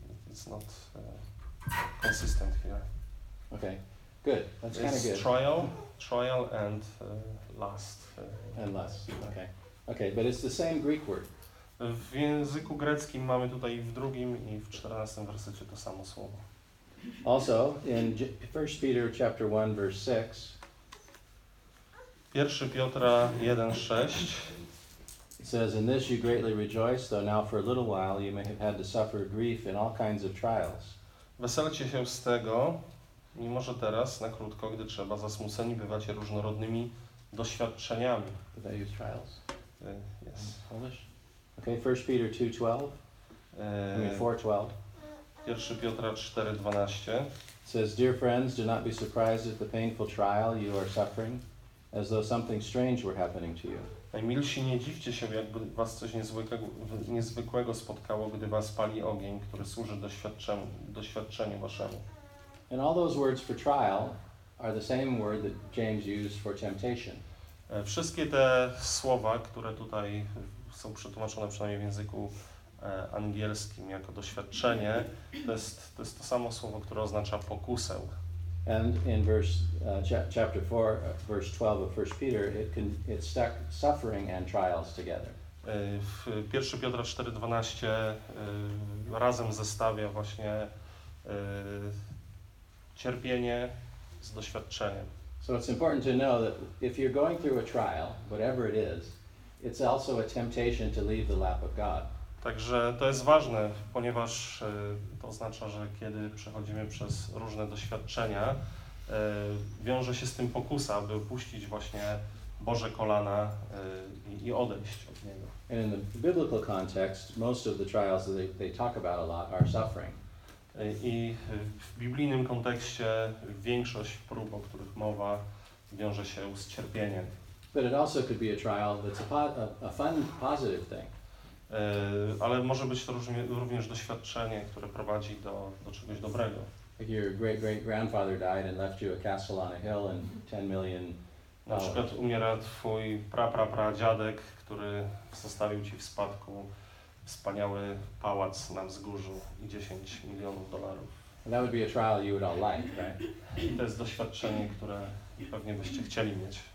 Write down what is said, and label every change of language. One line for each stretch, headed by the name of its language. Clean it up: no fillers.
English: It's not consistent here. Okay. Good. That's kind of good. It's trial and lust. And lust. Okay. Okay, but it's the same Greek word.
Polish: W języku greckim mamy tutaj w drugim i w 14 wersecie to samo słowo.
English: Also, in 1 Peter chapter 1 verse 6.
Polish: 1 Piotra 1:6.
English: It says, in this you greatly rejoice, though now for a little while you may have had to suffer grief in all kinds of trials.
Polish: Weselcie się z tego, mimo że teraz na krótko, gdy trzeba, zasmuceni bywacie różnorodnymi doświadczeniami.
English: Did they use trials? Yes. Polish? Okay, 1 Peter 2:12. 4:12.
Polish: 1 Piotra 4:12.
English: Says, dear friends, do not be surprised at the painful trial you are suffering, as though something strange were happening to you.
Polish: Najmilsi, nie dziwcie się, jakby was coś niezwykłego spotkało, gdy was pali ogień, który służy doświadczeniu waszemu.
English: And all those words for trial are the same word that James used for temptation.
Polish: Wszystkie te słowa, które tutaj są przetłumaczone przynajmniej w języku angielskim jako doświadczenie, to jest to samo słowo, które oznacza pokusę.
English: And in verse chapter 4 verse 12 of 1 Peter it stuck suffering and trials together.
Polish: W 1 Piotra 4,12 razem zestawia właśnie cierpienie z doświadczeniem.
English: So it's important to know that if you're going through a trial, whatever it is, it's also a temptation to leave the lap of God.
Polish: Także to jest ważne, ponieważ to oznacza, że kiedy przechodzimy przez różne doświadczenia, wiąże się z tym pokusa, aby opuścić właśnie Boże kolana i odejść od Niego.
English: And in the biblical context, most of the trials that they talk about a lot are suffering.
Polish: I w biblijnym kontekście większość prób, o których mowa, wiąże się z cierpieniem.
English: But it also could be a trial that's a fun, positive thing.
Polish: Ale może być to również doświadczenie, które prowadzi do czegoś dobrego.
English: Like your great-great-grandfather died and left you a castle on a hill and $10 million.
Polish: Na przykład umiera twój pra-pra-pra-dziadek, który zostawił ci w spadku wspaniały pałac na wzgórzu i $10 million.
English: And that would be a trial you would all like, right?
Polish: To jest doświadczenie, które pewnie byście chcieli mieć.